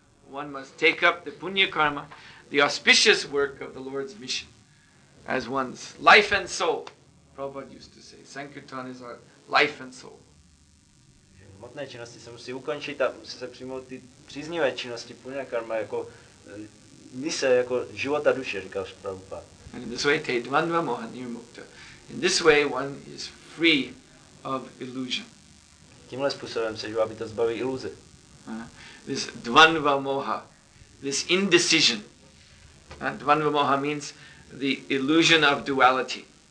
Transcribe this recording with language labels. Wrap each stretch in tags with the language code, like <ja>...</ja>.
<en>One must take up the punya karma, the auspicious work of the Lord's mission, as one's life and soul. Prabhupada used to say, Sankirtan is our life and soul.</en> <cs>Hmotné činnosti se musí ukončit a musí se přijmout ty příznivé činnosti punya karma jako mise, jako života duše, říkal Prabhupada.</cs> <en>In this way,</en> <sa>te dvandva moha nirmukta.</sa> <en>In this way, one is free of illusion.</en> <cs>Tímhle způsobem se živá bytost zbaví iluze.</cs> <en>This dvandva moha, this indecision. Dvandva moha means the illusion of duality.</en>